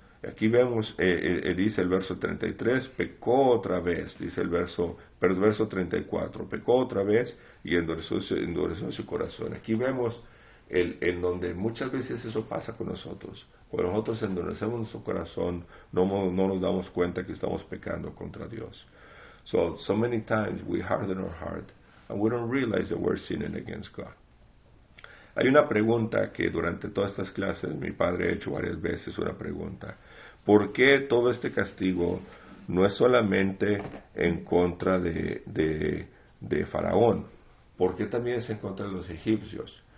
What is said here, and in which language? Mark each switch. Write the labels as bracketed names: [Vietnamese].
[Spanish] Aquí vemos, dice el verso 33, pecó otra vez, dice el verso 34, pecó otra vez y endureció su corazón. Aquí vemos en donde muchas veces eso pasa con nosotros. Cuando nosotros endurecemos nuestro corazón, no nos damos cuenta que estamos pecando contra Dios. [English] So many times we harden our heart and we don't realize that we're sinning against God. [Spanish] Hay una pregunta que durante todas estas clases mi padre ha hecho varias veces, una pregunta. ¿Por qué todo este castigo no es solamente en contra de Faraón? ¿Por qué también es en contra de los egipcios?